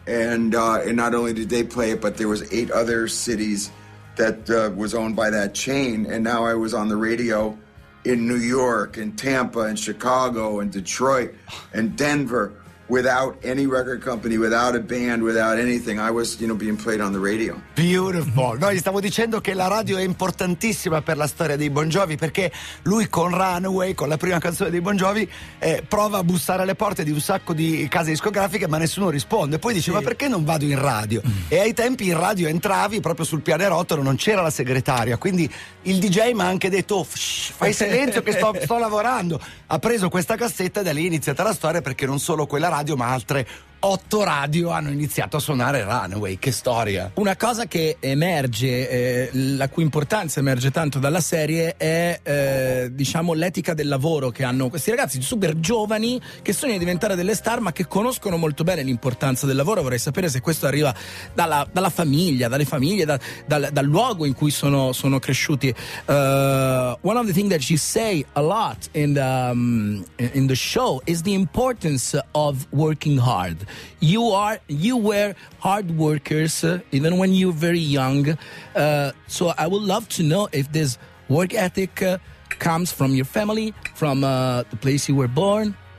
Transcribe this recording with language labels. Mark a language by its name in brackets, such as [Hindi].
[English] And not only did they play it, but there was eight other cities that was owned by that chain. And now I was on the radio in New York and Tampa and Chicago and Detroit and Denver without any record company, without a band, without anything. I was, you know, being played on the radio. Beautiful. [Italian] No, gli stavo dicendo che la radio è importantissima per la storia di Bon Jovi, perché lui con Runaway, con la prima canzone di Bon Jovi, prova a bussare alle porte di un sacco di case discografiche, ma nessuno risponde. Poi dice, ma perché non vado in radio? E ai tempi in radio entravi proprio sul pianerottolo, non c'era la segretaria, quindi il DJ mi ha anche detto, fai silenzio che sto lavorando. Ha preso questa cassetta e da lì è iniziata la storia, perché non solo quella radio, ma altre 8 radio hanno iniziato a suonare Runaway. Che storia! Una cosa che emerge, la cui importanza emerge tanto dalla serie, è diciamo l'etica del lavoro che hanno questi ragazzi super giovani che sognano di diventare delle star, ma che conoscono molto bene l'importanza del lavoro. Vorrei sapere se questo arriva dalla famiglia, dalle famiglie, dal luogo in cui sono cresciuti. [English] One of the things that you say a lot in the show is the importance of working hard. You were hard workers even when you were very young, so I would love to know if this work ethic comes from your family, from the place you were born.